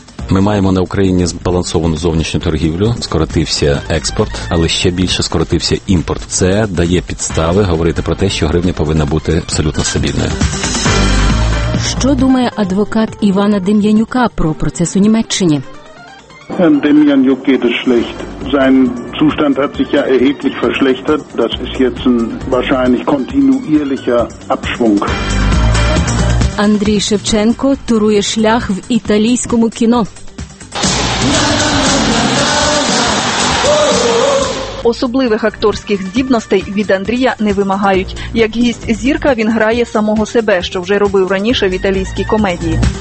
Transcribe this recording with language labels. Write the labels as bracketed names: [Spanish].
[Ukrainian] Ми маємо на Україні збалансовану зовнішню торгівлю, скоротився експорт, але ще більше скоротився імпорт. Це дає підстави говорити про те, що гривня повинна бути абсолютно стабільною. Що думає адвокат Івана Дем'янюка про процес у Німеччині? [German] Дем'янюк є шлехт. Sein Zustand hat sich ja erheblich verschlechtert. Das ist jetzt ein wahrscheinlich kontinuierlicher Abschwung. [Ukrainian] Андрій Шевченко турує шлях в італійському кіно. Особливих акторських здібностей від Андрія не вимагають. Як гість зірка він грає самого себе, що вже робив раніше в італійській комедії.